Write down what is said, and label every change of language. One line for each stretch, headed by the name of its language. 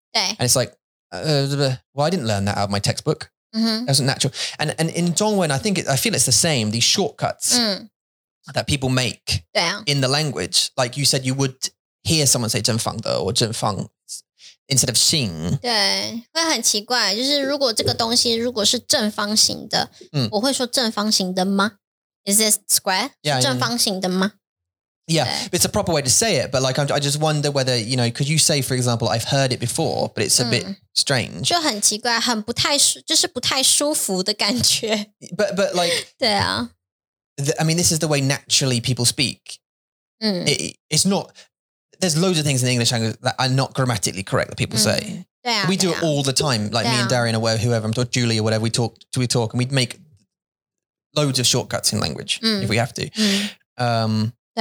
English: And it's like, well, I didn't learn that out of my textbook. Mm-hmm. That's natural. And in Zhongwen, I feel it's the same, these shortcuts that people make in the language. Like you said, you would hear someone say 正方的 or 正方 instead of 形.
Chinese: 对,会很奇怪,就是如果这个东西如果是正方形的, 我会说正方形的吗?
English: Is this square? Yeah,
Chinese: 正方形的吗?
English: Yeah, it's a proper way to say it, but like I just wonder whether, you know, could you say, for example, I've heard it before, but it's a bit strange.
Chinese: 就很奇怪,很不太,就是不太舒服的感觉.
English: But like, this is the way naturally people speak. It's not... There's loads of things in the English language that are not grammatically correct that people say. We do it all the time. Like me and Darian or whoever, I'm talking Julie or whatever, we talk and we'd make loads of shortcuts in language if we have to.